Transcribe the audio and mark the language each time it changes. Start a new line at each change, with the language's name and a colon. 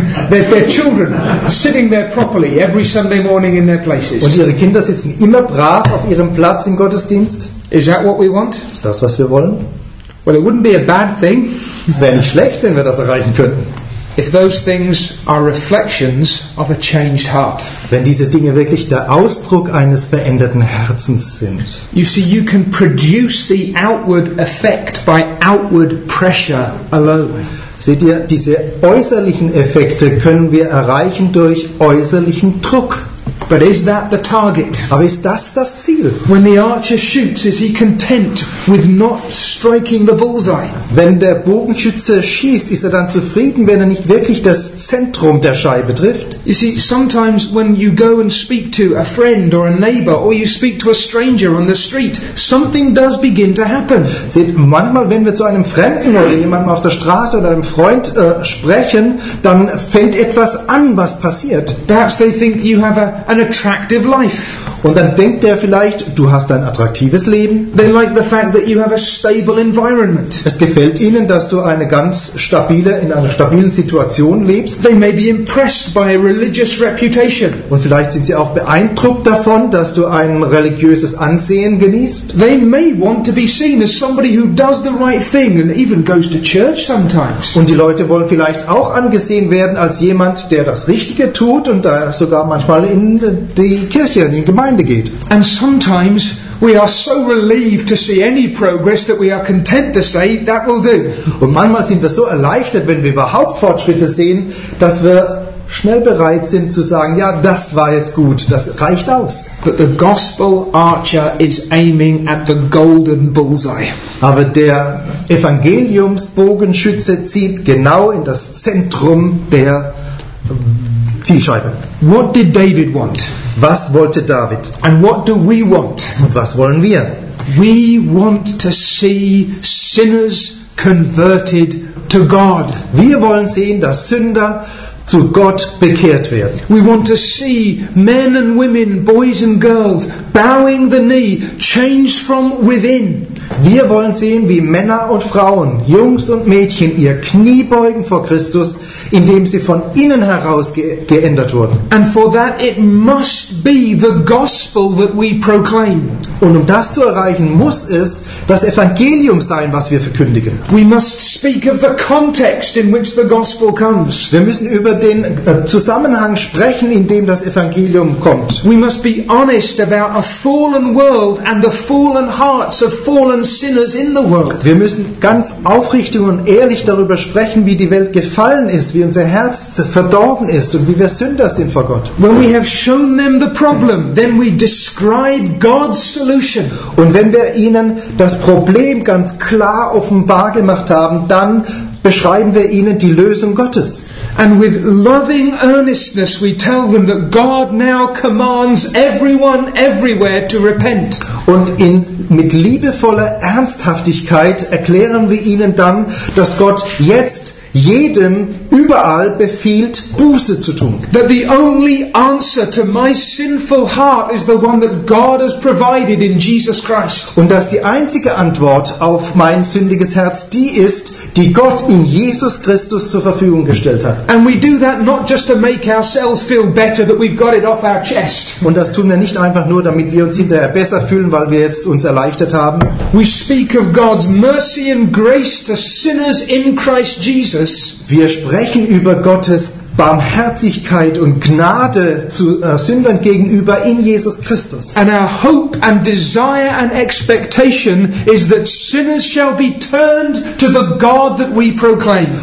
English: Their children sitting there properly every Sunday morning in their places.
German: Und ihre Kinder sitzen immer brav auf ihrem Platz im Gottesdienst.
English: Is that what we want?
German: Ist das, was wir wollen?
English: Well, it wouldn't be a bad thing.
German: Es wäre nicht schlecht, wenn wir das erreichen könnten.
English: If those things are reflections of a changed heart.
German: Wenn diese Dinge wirklich der Ausdruck eines veränderten Herzens sind.
English: You see, you can produce the outward effect by outward pressure alone.
German: Seht ihr, diese äußerlichen Effekte können wir erreichen durch äußerlichen Druck.
English: But is that the target?
German: Aber ist das das Ziel?
English: When the archer shoots, is he content with not striking the bullseye?
German: Wenn der Bogenschütze schießt, ist dann zufrieden, wenn nicht wirklich das Zentrum der Scheibe trifft?
English: You see, sometimes when you go and speak to a friend or a neighbor or you speak to a stranger on the street, something does begin to happen.
German: Seht, manchmal, wenn wir zu einem Fremden oder jemandem auf der Straße oder einem Freund sprechen, dann fängt etwas an, was passiert.
English: Perhaps they think you have an attractive life.
German: Und dann denkt der vielleicht, du hast ein attraktives Leben.
English: They like the fact that you have a stable environment.
German: Es gefällt ihnen, dass du eine ganz stabile, in einer stabilen Situation lebst.
English: They may be impressed by a religious reputation.
German: Und vielleicht sind sie auch beeindruckt davon, dass du ein religiöses Ansehen genießt.
English: They may want to be seen as somebody who does the right thing and even goes to church sometimes.
German: Und die Leute wollen vielleicht auch angesehen werden als jemand, der das Richtige tut und da sogar manchmal in die Kirche, in die Gemeinde geht.
English: And sometimes we are so relieved to see any progress that we are content to say that will do.
German: Und manchmal sind wir so erleichtert, wenn wir überhaupt Fortschritte sehen, dass wir schnell bereit sind zu sagen, ja, das war jetzt gut, das reicht aus.
English: But the gospel archer is aiming at the golden bullseye.
German: Aber der Evangeliumsbogenschütze zielt genau in das Zentrum der Zielscheibe.
English: What did David want?
German: Was wollte David?
English: And what do we want?
German: Und was wollen wir?
English: We want to see sinners converted to God.
German: Wir wollen sehen, dass Sünder zu Gott bekehrt werden.
English: We want to see men and women, boys and girls, bowing the knee, changed from within.
German: Wir wollen sehen, wie Männer und Frauen, Jungs und Mädchen, ihr Knie beugen vor Christus, indem sie von innen heraus geändert wurden.
English: And for that it must be the gospel that we proclaim.
German: Und um das zu erreichen, muss es das Evangelium sein, was wir verkündigen.
English: We must speak of the context in which the gospel comes.
German: Wir müssen über den Zusammenhang sprechen, in dem das Evangelium kommt.
English: We must be honest about a fallen world and the fallen hearts of fallen sinners in the world.
German: Wir müssen ganz aufrichtig und ehrlich darüber sprechen, wie die Welt gefallen ist, wie unser Herz verdorben ist und wie wir Sünder sind vor Gott.
English: When we have shown them the problem, then we describe God's solution.
German: Und wenn wir ihnen das Problem ganz klar offenbar gemacht haben, dann beschreiben wir ihnen die Lösung Gottes.
English: And with loving earnestness we tell them that God now commands everyone everywhere to repent.
German: Und mit liebevoller Ernsthaftigkeit erklären wir ihnen dann, dass Gott jetzt jedem überall befiehlt, Buße zu tun.
English: That the only answer to my sinful heart is the one that God has provided in Jesus Christ.
German: Und dass die einzige Antwort auf mein sündiges Herz die ist, die Gott in Jesus Christus zur Verfügung gestellt hat.
English: And we do that not just to make ourselves feel better that we've got it off our chest.
German: Und das tun wir nicht einfach nur, damit wir uns hinterher besser fühlen, weil wir jetzt uns erleichtert haben.
English: We speak of God's mercy and grace to sinners in Christ Jesus.
German: Wir sprechen über Gottes Barmherzigkeit und Gnade zu Sündern gegenüber in Jesus Christus.
English: And our hope and desire and expectation is that sinners shall be turned to the God that we proclaim.